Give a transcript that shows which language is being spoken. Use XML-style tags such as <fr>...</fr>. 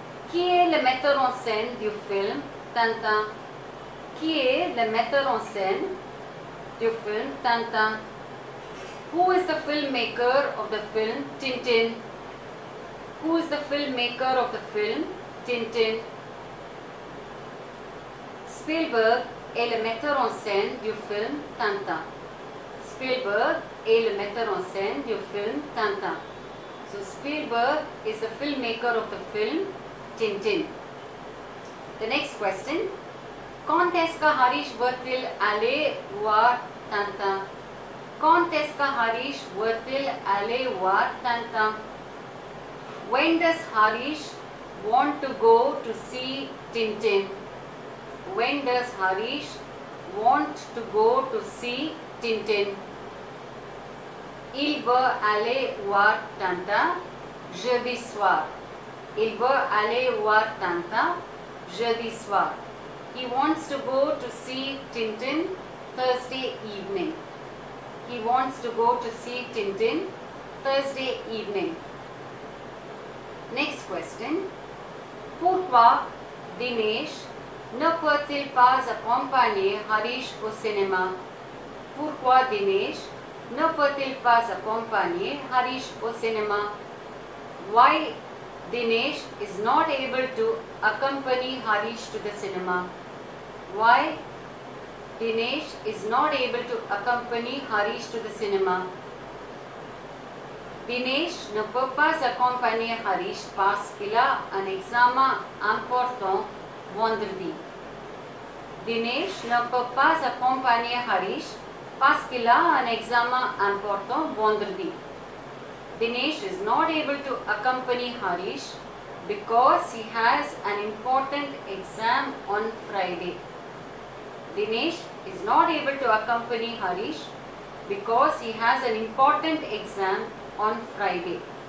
<fr>Qui est le metteur en scène du film tanta? Qui est le metteur en scène du film Tintin?</fr> <en>Who is the filmmaker of the film Tintin? Who is the filmmaker of the film Tintin?</en> <fr>Spielberg est le metteur en scène du film Tintin. Spielberg est le metteur en scène du film Tintin.</fr> <en>So Spielberg is the filmmaker of the film Tintin. The next question.</en> <fr>Quand est-ce que Harish va-t-il aller voir Tintin? Quand est-ce que Harish va-t-il aller voir Tintin?</fr> <en>When does Harish want to go to see Tintin? When does Harish want to go to see Tintin?</en> <fr>Il veut aller voir Tintin, jeudi soir. Il veut aller voir Tintin, jeudi soir.</fr> <en>He wants to go to see Tintin Thursday evening. He wants to go to see Tintin Thursday evening. Next question.</en> <fr>Pourquoi Dinesh ne peut-il pas accompagner Harish au cinéma? Pourquoi Dinesh ne peut-il pas accompagner Harish au cinéma?</fr> <en>Why Dinesh is not able to accompany Harish to the cinema? Why Dinesh is not able to accompany Harish to the cinema?</en> <fr>Dinesh ne peut pas accompagner Harish parce qu'il a un examen important vendredi. Dinesh ne peut pas accompagner Harish parce qu'il a un examen important vendredi.</fr> <en>Dinesh is not able to accompany Harish because he has an important exam on Friday. Dinesh is not able to accompany Harish because he has an important exam on Friday.</en>